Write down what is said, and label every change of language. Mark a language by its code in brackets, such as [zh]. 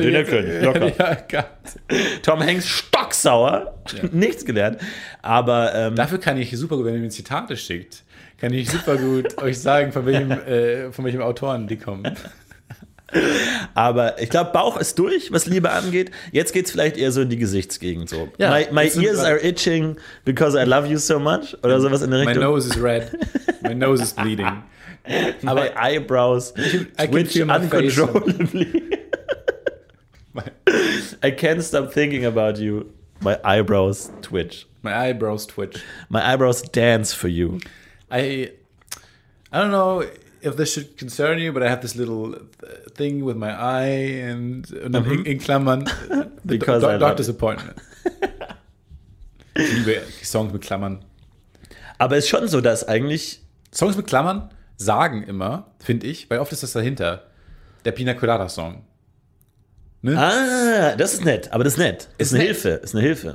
[de] Den jetzt, locker. Ja, Tom Hanks stocksauer. Ja. Nichts gelernt. Aber dafür kann ich super gut, wenn ihr mir Zitate schickt, kann ich super gut euch sagen, von welchem Autoren die kommen. Aber ich glaube, Bauch ist durch, was Liebe angeht. Jetzt geht es vielleicht eher so in die Gesichtsgegend. So. Ja, [en] my ears are itching because I love you so much. [de] Oder sowas in der Richtung. [en] My nose is red. My nose is bleeding. [de] Aber [en] my eyebrows twitch uncontrollably. I can't stop thinking about you. My eyebrows twitch. My eyebrows twitch. My eyebrows dance for you. I don't know if this should concern you, but I have this little thing with my eye and [de] in Klammern. [en] Because I love disappointment. [de] Liebe Songs mit Klammern. Aber es ist schon so, dass eigentlich... Songs mit Klammern sagen immer, finde ich, weil oft ist das dahinter, der Pina Colada-Song. Ne? Ah, das ist nett, aber das ist nett. Ist eine Hilfe, ist eine Hilfe.